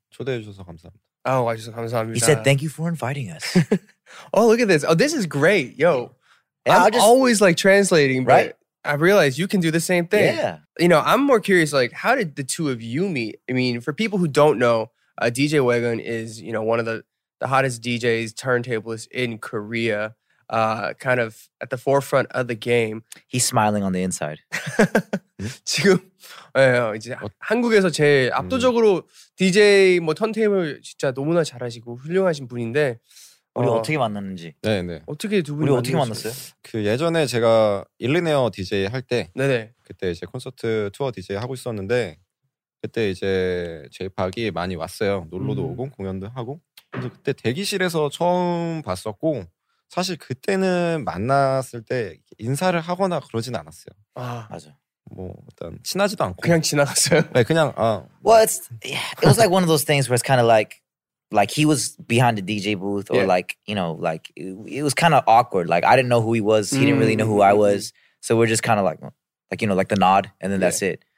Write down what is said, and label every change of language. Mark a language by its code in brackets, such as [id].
[ko] 초대해 주셔서 감사합니다. 아, 와주셔서 감사합니다. [en] He said thank you for inviting us. Oh, look at this. Oh, this is great. Yo. Yeah, I'm just, always like translating. Right? But I realized you can do the same thing. Yeah. You know, I'm more curious like how did the two of you meet? I mean, for people who don't know, DJ Wagon is, you know, one of the hottest DJs, turntablists in Korea. Kind of at the forefront of the game. He's smiling on the inside. [ko] 지금 이제 한국에서 제일 압도적으로 DJ 뭐 턴테이블 진짜 너무나 잘하시고 훌륭하신 분인데 우리 어떻게 만났는지. 네네. 어떻게 두 분이 우리 어떻게 만났어요? 그 예전에 제가 일리네어 DJ 할 때 네네. 그때 이제 콘서트 투어 DJ 하고 있었는데 그때 이제 제이팍이 많이 왔어요. 놀러도 오고 공연도 하고. 근데 그때 대기실에서 처음 봤었고 사실 그때는 만났을 때 인사를 하거나 그러진 않았어요. 아, 맞아. 뭐 일단 친하지도 않고 그냥 지나갔어요. 네, 그냥 [en] Well, it's it was like one of those things where it's kind of like he was behind the DJ booth or like, you know, like it was kind of awkward. Like I didn't know who he was. He didn't really know who I was. So we're just kind of like you know, like the nod and then that's it.